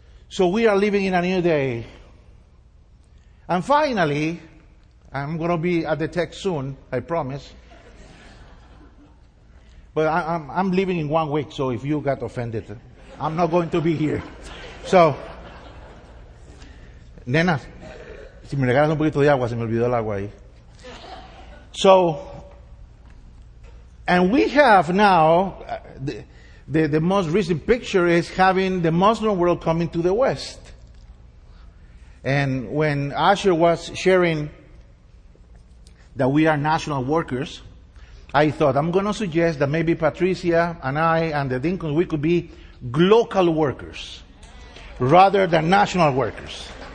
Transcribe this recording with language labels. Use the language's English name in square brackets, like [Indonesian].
[English] So we are living in a new day. And finally, I'm going to be at the text soon, I promise. But I'm leaving in 1 week, so if you got offended, I'm not going to be here. [Spanish] So, nena, si me regalas un poquito de agua, se me olvidó el agua ahí. [English] So, and we have now, the most recent picture is having the Muslim world coming to the West. And when Asher was sharing that we are national workers, I thought, I'm going to suggest that maybe Patricia and I and the Dinkins, we could be global workers rather than national workers.